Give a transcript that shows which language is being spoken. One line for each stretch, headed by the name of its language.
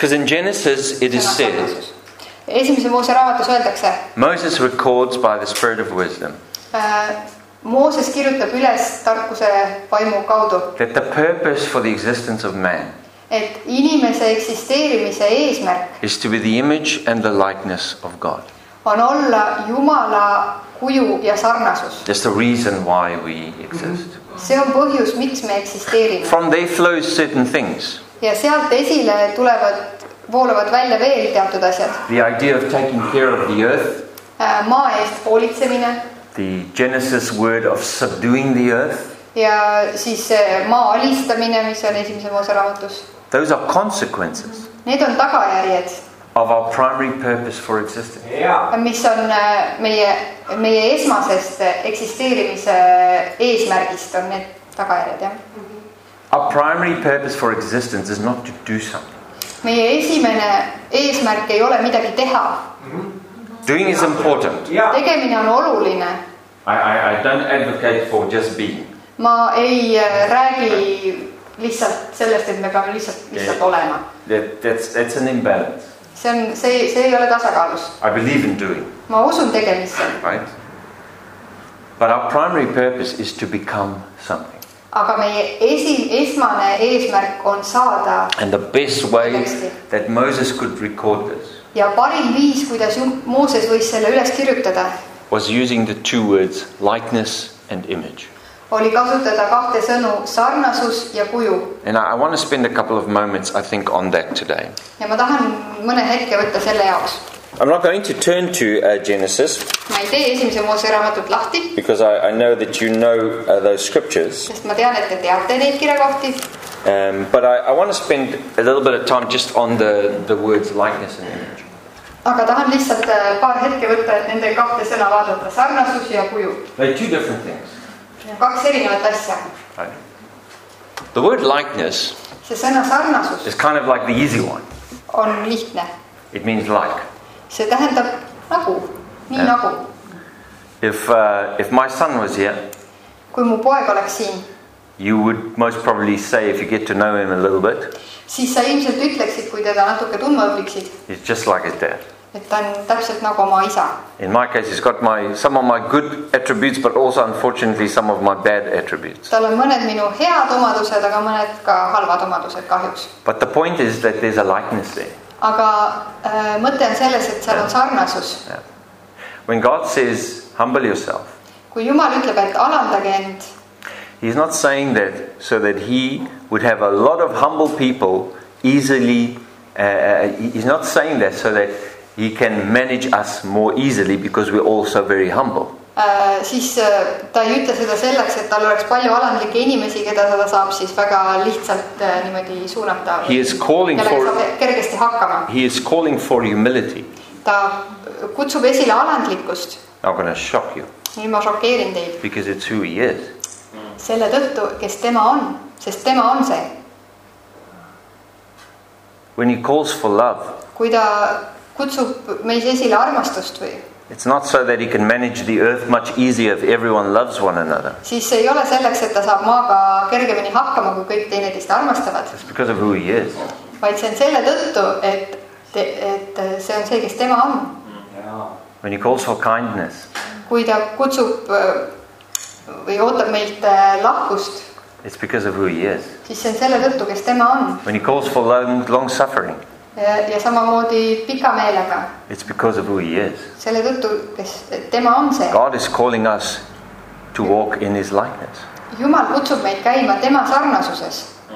English: Because in Genesis it is said.
Estonian: Esimese Moose raamatus öeldakse.
English: Moses records by the spirit of wisdom.
Estonian: Mooses kirjutab üles tarkuse vaimu kaudu.
English: That the purpose for the existence of man.
Estonian: Et inimese eksisteerimise eesmärk
English: is to be the image and the likeness of God.
Estonian: On olla Jumala kuju ja sarnasus.
English: That's the reason why we exist.
Estonian: See on põhjus, miks me eksisteerime.
English: From there flows certain things.
Estonian: Ja sealt esile tulevad, voolavad välja veel teatud asjad.
English: The idea of taking care of the earth.
Estonian: Maa eest hoolitsemine.
English: The Genesis word of subduing the earth.
Estonian: Ja siis maa alistamine, mis on esimese Moose raamatus.
English: Those are consequences.
Estonian: Need on tagajärjed.
English: Of our primary purpose for existence. Yeah.
Estonian: Mis on meie esmasest eksisteerimise eesmärgist on need tagajärjed.
English: Our primary purpose for existence is not to do something.
Estonian: Meie esimene eesmärk ei ole midagi teha.
English: Doing is important.
Estonian: Yeah. Tegemine on oluline.
English: I don't advocate for just being.
Estonian: Ma ei räägi lihtsalt sellest, et me peame lihtsalt olema.
English: That's an imbalance.
Estonian: See ei ole tasakaalus.
English: I believe in doing.
Estonian: Ma usun tegemisse.
English: Right. But our primary purpose is to become something.
Estonian: Aga meie esmane eesmärk on saada.
English: And the best way that Moses could record this.
Estonian: Ja parim viis, kuidas Mooses võis selle üles kirjutada.
English: Was using the two words likeness and image.
Estonian: Oli kasutada kahte sõnu sarnasus ja kuju.
English: And I want to spend a couple of moments I think on that today.
Estonian: Ja ma tahan mõne hetke võtta selle jaoks.
English: I'm not going to turn to Genesis.
Estonian: Ma ei tee esimese Moose raamatut lahti.
English: Because I know that you know those scriptures.
Estonian: Sest ma tean, et te teate neid kirjakohti.
English: But I want to spend a little bit of time just on the words likeness and image.
Estonian: Aga tahan lihtsalt paar hetke võtta, et nende kahte sõna vaadata sarnasus ja kuju.
English: They're two different things.
Estonian: Kaks erinevat asja.
English: The word likeness.
Estonian: See sõna sarnasus.
English: Is kind of like the easy one.
Estonian: On lihtne.
English: It means like.
Estonian: See tähendab nagu, nii nagu.
English: If my son was here.
Estonian: Kui mu poeg oleks siin.
English: You would most probably say if you get to know him a little bit.
Estonian: Siis sa ilmselt ütleksid, kui teda natuke tunma õpiksid.
English: It's just like his dad.
Estonian: Et ta on täpselt nagu oma isa.
English: In my case, he's got some of my good attributes, but also unfortunately some of my bad attributes.
Estonian: Tal on mõned minu head omadused, aga mõned ka halvad omadused kahjuks.
English: But the point is that there's a likeness there.
Estonian: Aga mõte on selles, et seal on sarnasus.
English: Yeah. When God says, humble yourself.
Estonian: Kui Jumal ütleb, et alandage end.
English: He's not saying that so that he would have a lot of humble people easily. He's not saying that so that he can manage us more easily because we're all so very humble.
Estonian: siis ta ei ütle seda selleks, et tal oleks palju alandlikke inimesi, keda seda saab siis väga lihtsalt niimoodi suunata.
English: He is calling for
Estonian: kergesti hakkama.
English: He is calling for humility.
Estonian: Ta kutsub esile alandlikkust.
English: I'm gonna shock you.
Estonian: Nii ma šokeerin teid.
English: Because it's who he is.
Estonian: Selle tõttu, kes tema on, sest tema on see.
English: When he calls for love.
Estonian: Kui ta kutsub meis esile armastust või
English: It's not so that he can manage the earth much easier if everyone loves one another.
Estonian: Siis see ei ole selleks, et ta saab maaga kergemini hakkama, kui kõik teineteist armastavad.
English: It's because of who he is.
Estonian: Vaid see on selle tõttu, et see on see, kes tema on.
English: When he calls for kindness.
Estonian: Kui ta kutsub või ootab meilt lahkust.
English: It's because of who he is.
Estonian: Siis see on selle tõttu, kes tema on.
English: When he calls for long suffering.
Estonian: Ja samamoodi pika meelega.
English: It's because of who he is.
Estonian: Selle tõttu, kes tema on see.
English: God is calling us to walk in his likeness.
Estonian: Jumal kutsub meid käima tema sarnasuses.